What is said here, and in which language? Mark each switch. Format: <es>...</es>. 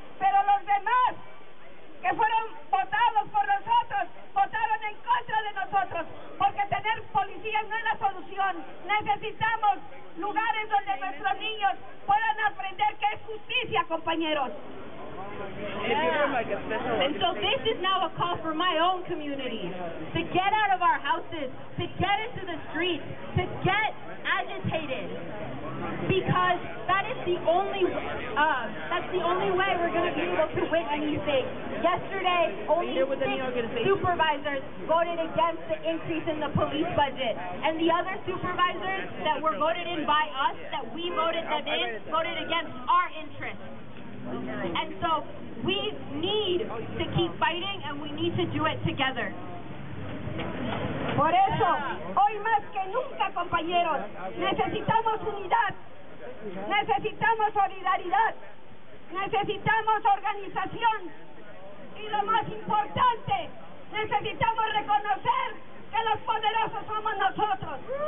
<es>Pero los demás que fueron votados por nosotros, votaron en contra de nosotros, porque tener policías no es la solución. Necesitamos lugares donde nuestros niños puedan aprender qué es justicia, compañeros.</es> <en>Yeah. And so this is now a call for my own community to get out of our houses, to get into the streets, to get agitated, because that is the only way we're going to be able to win anything. Yesterday, only 6 supervisors voted against the increase in the police budget, and the other supervisors that were voted in by us, that we voted them in, voted against our interests. And so we need to keep fighting, and we need to do it together.</en> <es>Por eso, hoy más que nunca, compañeros, necesitamos unidad, necesitamos solidaridad, necesitamos organización, y lo más importante, necesitamos reconocer que los poderosos somos nosotros.</es>